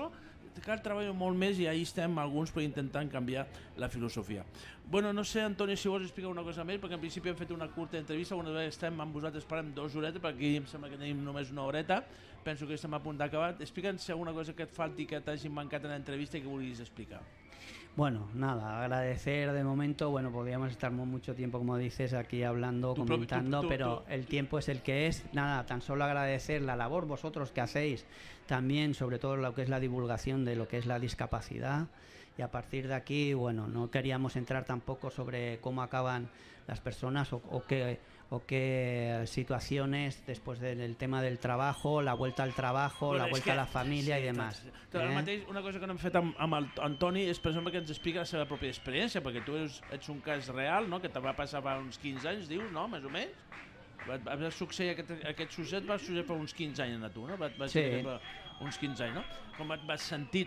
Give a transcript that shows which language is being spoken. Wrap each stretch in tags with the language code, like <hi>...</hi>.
<ca>Això cal treballar molt més i ahí estem alguns per intentar canviar la filosofia. Bueno, no sé, Antoni, si vols explicar una cosa més, perquè en principi hem fet una curta entrevista, una vegada estem amb vosaltres, parlem 2 horetes, perquè aquí em sembla que tenim només 1 horeta, penso que estem a punt d'acabar. Explica'ns si alguna cosa que et falti, que t'hagi mancat en l'entrevista i que vulguis explicar.</ca> <es>Bueno, nada, agradecer de momento, bueno, podríamos estar mucho tiempo, como dices, aquí hablando, comentando, pero el tiempo es el que es. Nada, tan solo agradecer la labor vosotros que hacéis, también, sobre todo lo que es la divulgación de lo que es la discapacidad. Y a partir de aquí, bueno, no queríamos entrar tampoco sobre cómo acaban las personas o qué situaciones después del tema del trabajo, la vuelta al trabajo, bueno, la vuelta a la familia, sí, y demás.</es> <ca>Mateix, una cosa que no hem fet amb el Antoni és, per exemple, que ens explica la seva pròpia experiència, perquè tu ets un cas real, no?, que te va passar fa uns 15 anys, dius, no?, més o menys. Va succeir aquest succeït, va succeir fa uns 15 anys a tu, no? Uns 15 anys, no? Com et vas sentir?</ca>